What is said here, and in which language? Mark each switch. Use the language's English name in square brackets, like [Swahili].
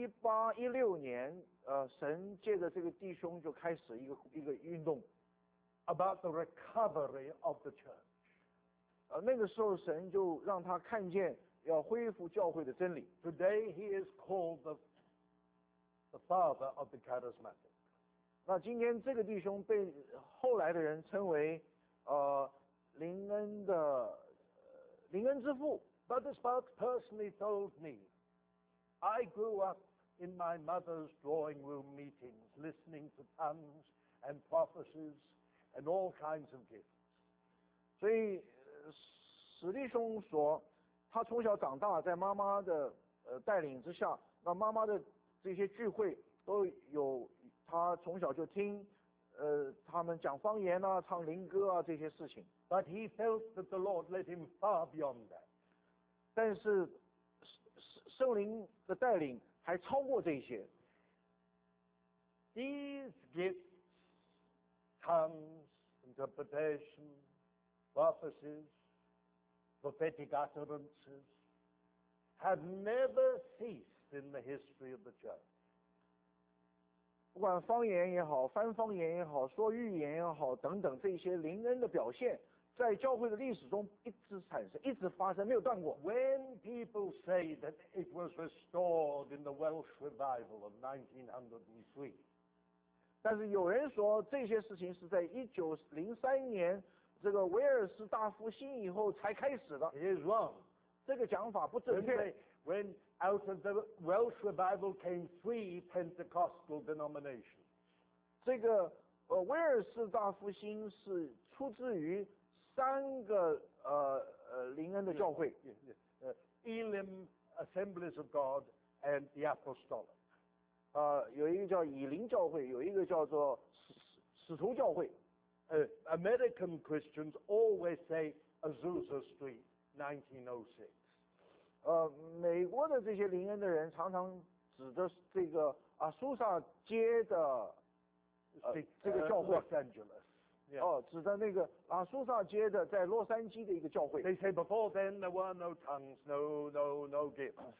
[Chinese] 1816年，神借着这个弟兄就开始一个运动 [English] ，about the recovery of the church。 [Chinese] 那个时候神就让他看见要恢复教会的真理。 [English] Today he is called the father of the charismatic。 [Chinese] 那今天这个弟兄被后来的人称为灵恩之父。 [English] But the Spark personally told me. I grew up in my mother's drawing room meetings, listening to tongues and prophecies and all kinds of gifts. [Chinese] 所以史弟兄说，他从小长大在妈妈的带领之下，那妈妈的这些聚会都有，他从小就听，他们讲方言啊，唱灵歌啊这些事情。 [English] But he felt that the Lord led him far beyond that. [Chinese] 但是圣灵的带领还超过这些。 [English] These gifts, tongues, interpretation, prophecies, prophetic utterances, have never ceased in the history of the church. [Chinese] 不管方言也好，翻方言也好，说预言也好，等等这些灵恩的表现。在教会的历史中一直产生，一直发生，没有断过。 [English] When people say that it was restored in the Welsh revival of 1903, [Chinese] 但是有人说这些事情是在1903年这个威尔士大复兴以后才开始的。 [English] It is wrong. [Chinese] 这个讲法不正确。 [English] When out of the Welsh revival came three Pentecostal denominations. [Chinese] 这个威尔士大复兴是出自于三个灵恩的教会 [English] Elim Assemblies of God and the Apostolic [Chinese] 有一个叫以灵教会，有一个叫做使徒教会。 [English] American Christians always say Azusa Street 1906。 [Chinese] 美国的这些灵恩的人常常指的这个阿苏萨街的这个教会。 [English] Los Angeles. Yeah. [Chinese] 指的那个阿苏萨街的在洛杉矶的一个教会。 [English] They say before then there were no tongues, no gifts.